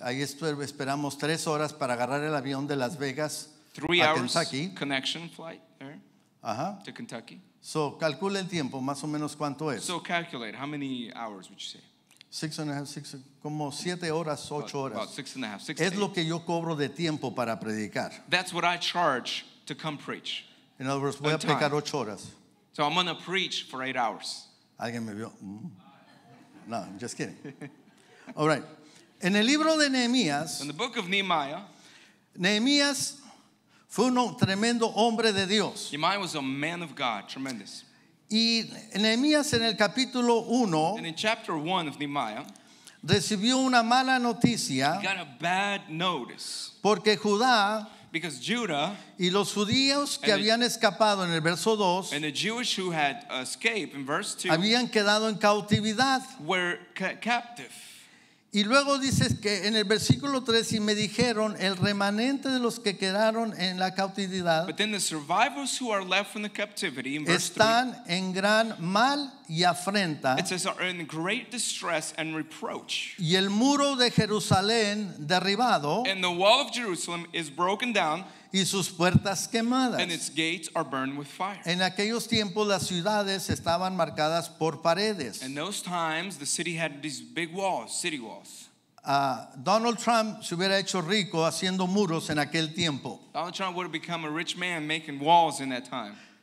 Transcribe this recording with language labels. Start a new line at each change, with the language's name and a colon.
Spanish: Ahí esperamos 3 horas para agarrar el avión de Las Vegas a Kentucky.
English: 3 hours connection flight there. Ajá. To Kentucky.
Spanish: So, calcule el tiempo, más o menos cuánto es.
English: So, calculate, how many hours would you say?
Spanish: 6
English: and a half,
Spanish: como 7 horas, 8 horas.
English: About 6 and a half, 6 to 8.
Spanish: Es lo que yo cobro de tiempo para predicar.
English: That's what I charge to come preach. In other words,
Spanish: voy a predicar 8 horas.
English: So, I'm going to preach for 8 hours.
Spanish: ¿Alguien me vio?
English: Mm. No, I'm just kidding. All right.
Spanish: En el libro de Nehemías.
English: In the book of Nehemiah.
Spanish: Nehemías. Fue un tremendo hombre de Dios.
English: Nehemiah was a man of God, tremendous.
Spanish: Y Nehemías en el capítulo 1,
English: and in chapter 1 of Nehemiah,
Spanish: recibió una mala noticia.
English: He got a bad notice.
Spanish: Porque Judá,
English: because Judah,
Spanish: y los judíos que habían escapado en el verso 2,
English: and the Jewish who had escaped in verse 2,
Spanish: habían quedado en cautividad.
English: Were captive.
Spanish: Y luego dices que en el versículo 3 y me dijeron el remanente de los que quedaron en la cautividad están en gran mal y afrenta.
English: It says are in great distress and reproach.
Spanish: Y el muro de Jerusalén derribado.
English: And the wall of Jerusalem is broken down.
Spanish: Y sus puertas quemadas.
English: And its gates are burned with fire.
Spanish: En aquellos tiempos las ciudades estaban marcadas por paredes.
English: In those times the city had these big walls, city walls.
Spanish: Donald Trump se hubiera hecho rico haciendo muros en aquel tiempo.
English: Donald Trump would have become a rich man making walls in that time.